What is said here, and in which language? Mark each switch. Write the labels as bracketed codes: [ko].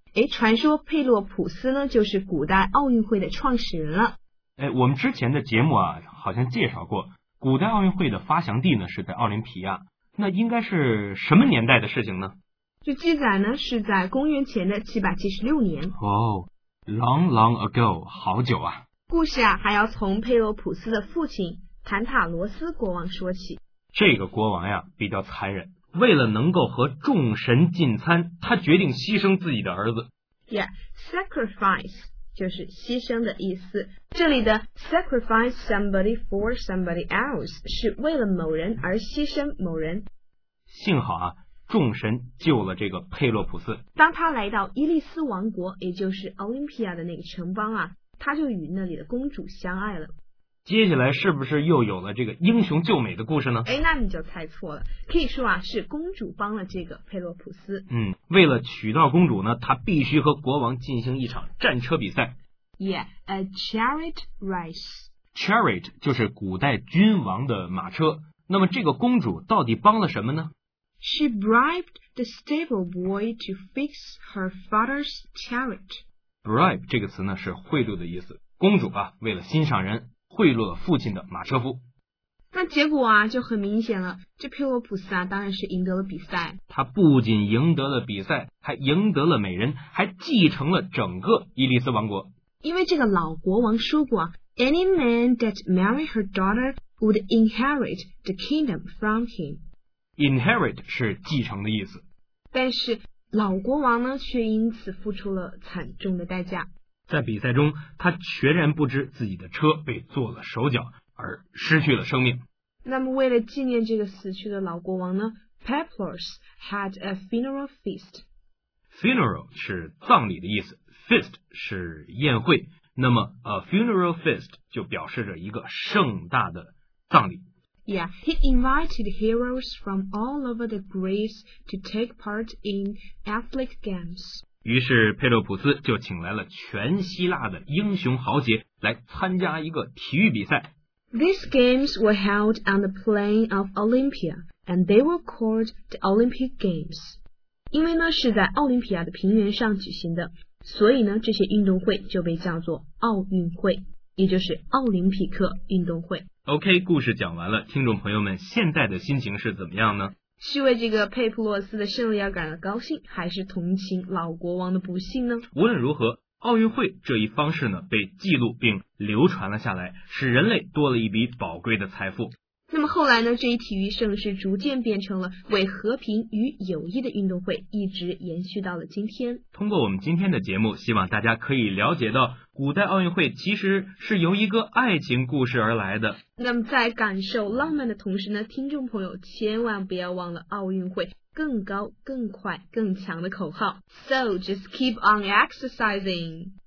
[zh] 诶，传说佩洛普斯呢就是古代奥运会的创始人了。诶，我们之前的节目啊好像介绍过，古代奥运会的发祥地呢是在奥林匹亚。那应该是什么年代的事情呢？就记载呢是在公元前的776年。哦， [en] long long ago， [zh] 好久啊。故事啊还要从佩洛普斯的父亲坦塔罗斯国王说起。这个国王呀比较残忍，为了能够和众神进餐，他决定牺牲自己的儿子。 Yeah, sacrifice 就是牺牲的意思，这里的 [en] sacrifice somebody for somebody else [zh] 是为了某人而牺牲某人。幸好啊众神救了这个佩洛普斯。当他来到伊利斯王国，也就是奥林匹亚的那个城邦啊，他就与那里的公主相爱了。接下来是不是又有了这个英雄救美的故事呢？哎，那你就猜错了，可以说啊是公主帮了这个佩洛普斯。嗯，为了娶到公主呢，她必须和国王进行一场战车比赛。 [en] Yeah, a chariot race. [zh] Chariot 就是古代君王的马车。那么这个公主到底帮了什么呢？ [en] She bribed the stable boy to fix her father's chariot. [zh] Bribe 这个词呢是贿赂的意思，公主啊为了欣赏人贿赂了父亲的马车夫。那结果啊就很明显了，这皮罗普斯啊当然是赢得了比赛。他不仅赢得了比赛，还赢得了美人，还继承了整个伊利斯王国。因为这个老国王说过， [en] Any man that married her daughter would inherit the kingdom from him. [zh] Inherit 是继承的意思。但是老国王呢却因此付出了惨重的代价。在比赛中他全然不知自己的车被做了手脚而失去了生命。那么为了纪念这个死去的老国王呢， [en] Peplos had a funeral feast. [zh] Funeral 是葬礼的意思， Feast 是宴会，那么 [en] a funeral feast [zh] 就表示着一个盛大的葬礼。 [en] Yeah, he invited heroes from all over the Greece to take part in athletic games. [zh] 于是佩洛普斯就请来了全希腊的英雄豪杰来参加一个体育比赛。 [en] These games were held on the plain of Olympia, and they were called the Olympic Games. [zh] 因为呢是在奥林匹亚的平原上举行的，所以呢这些运动会就被叫做奥运会，也就是奥林匹克运动会。 OK, 故事讲完了，听众朋友们现在的心情是怎么样呢？是为这个佩普洛斯的胜利而感到高兴，还是同情老国王的不幸呢？无论如何，奥运会这一方式呢被记录并流传了下来，使人类多了一笔宝贵的财富。那么后来呢，这一体育盛事逐渐变成了为和平与友谊的运动会，一直延续到了今天。通过我们今天的节目，希望大家可以了解到古代奥运会其实是由一个爱情故事而来的。那么在感受浪漫的同时呢，听众朋友千万不要忘了奥运会更高更快更强的口号。 [en] So just keep on exercising.